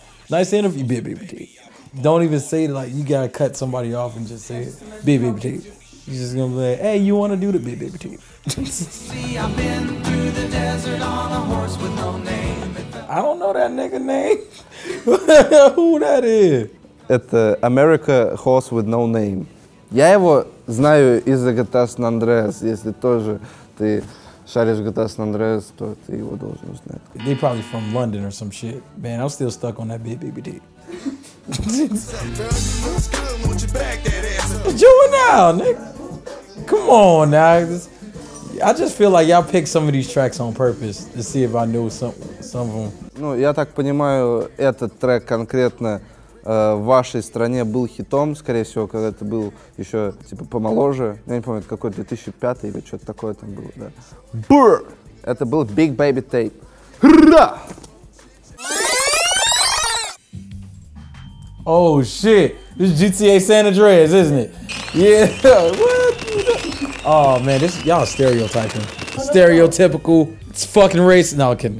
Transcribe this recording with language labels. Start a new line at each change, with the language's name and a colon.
English: Nice interview, Big Baby Tape. Don't even say it like you gotta cut somebody off and just say it. Big Baby Tape. He's just gonna be like, hey, you wanna do the Big Baby Tape? See, I've been through the desert on a horse with no name. I don't know that nigga name. Who that is?
Russian: Это
English: America Horse with No Name.
Russian: Я его знаю из GTA San Andreas. Если тоже ты шаришь GTA San Andreas, то ты его должен знать.
English: They probably from London or some shit. Man, I'm still stuck on that Big Baby Tape. What's up, girl? You move scum, won't you back that ass up? Come on now. I just feel like y'all picked some of these tracks on purpose to see if I knew some of them.
Russian: Ну, я так понимаю, этот трек конкретно в вашей стране был хитом, скорее всего, когда ты был еще типа помоложе. Я не помню, это какой 2005 или что-то такое там было, да. Бррр! Это был Big Baby Tape. Хрррра!
English: Oh shit, this is GTA San Andreas, isn't it? Yeah, what? Oh man, this y'all are stereotyping. Stereotypical, it's fucking racist. No, I'm kidding.